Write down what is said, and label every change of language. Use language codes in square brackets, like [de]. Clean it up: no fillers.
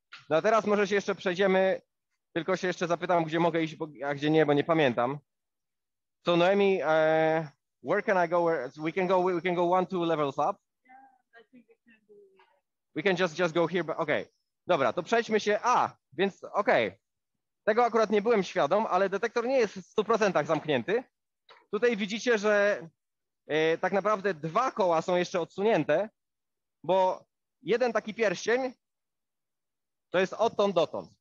[pl] No a teraz może się jeszcze przejdziemy. Tylko się jeszcze zapytam, gdzie mogę iść, a gdzie nie, bo nie pamiętam. [en] So Noemi, where can I go? We can go one, two levels up. We can just go here, but okay. [pl] Dobra, to przejdźmy się. Więc okej. Okay. Tego akurat nie byłem świadom, ale detektor nie jest w 100% zamknięty. Tutaj widzicie, że tak naprawdę dwa koła są jeszcze odsunięte, bo jeden taki pierścień to jest odtąd dotąd.